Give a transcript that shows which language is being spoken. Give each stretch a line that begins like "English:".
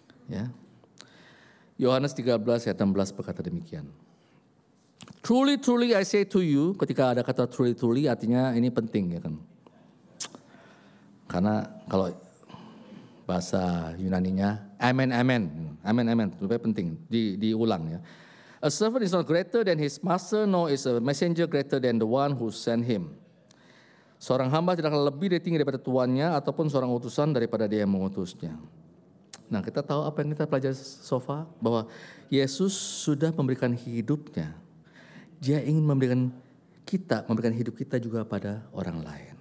Indonesian: Ya. Yohanes 13 ayat 16 berkata demikian.
English: Truly, truly I say to you.
Indonesian: Ketika ada kata truly, truly artinya ini penting ya kan. Karena kalau bahasa Yunaninya amen, amen. Amen, amen. Lebih penting diulang ya.
English: A servant is not greater than his master, nor is a messenger greater than the one who sent him.
Indonesian: Seorang hamba tidak akan lebih tinggi daripada tuannya ataupun seorang utusan daripada dia yang mengutusnya. Nah, kita tahu apa yang kita pelajari so far, bahwa Yesus sudah memberikan hidupnya. Dia ingin memberikan hidup kita juga pada orang lain.